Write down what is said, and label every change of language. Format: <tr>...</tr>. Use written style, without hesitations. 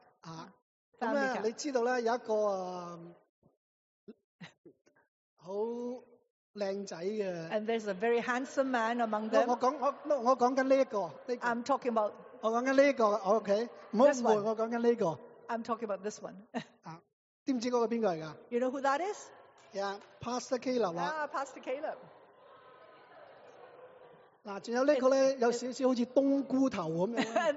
<yue>啊，咁咧你知道咧有一个好靓仔嘅。</yue> <en>And there's a very handsome man among them.</en> <yue>我讲紧呢一个。</yue> <en>I'm talking about.</en> <yue>我讲紧呢个 ，OK， 唔好误会，我讲紧呢个。</yue> <en>I'm talking about this one.</en> <yue>啊。知唔知嗰个边个嚟噶</yue> <en>？You know who that is? Yeah, Pastor Caleb. Yeah, Pastor Caleb.</en> <yue>嗱，仲有呢个咧，有少少好似冬菇头咁样。</yue>